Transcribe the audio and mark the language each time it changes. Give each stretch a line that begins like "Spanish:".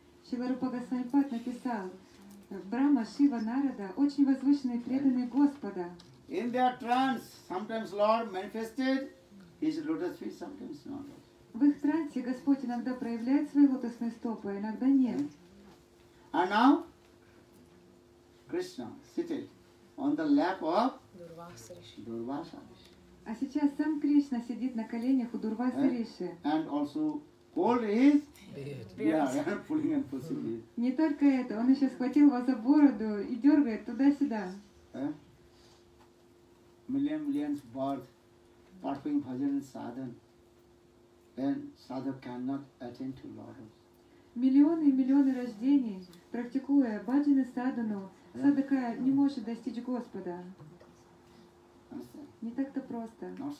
Russian: Шрила Рупа Госвами Пад написал, Брама, Шива, Нарада, очень возвышенные преданные Господа.
English: In their trance, sometimes Lord manifested his lotus feet, sometimes not.
Russian: В их трансе Господь иногда проявляет свои лотосные стопы, а иногда нет.
English: And now, Krishna seated on the lap of Durvasa Rishi.
Russian: А сейчас сам Кришна сидит на коленях у Дурваса Риши.
English: And also hold his beard. Yeah, pulling and pushing it.
Russian: Не только это, он еще схватил его за бороду и дергает туда-сюда.
English: Million millions birth, performing bhajan and sadhan, then sadhak cannot attend to lotus.
Russian: Миллионы и миллионы рождений, практикуя баджан и садхану, садхака не может достичь Господа. Не так-то просто.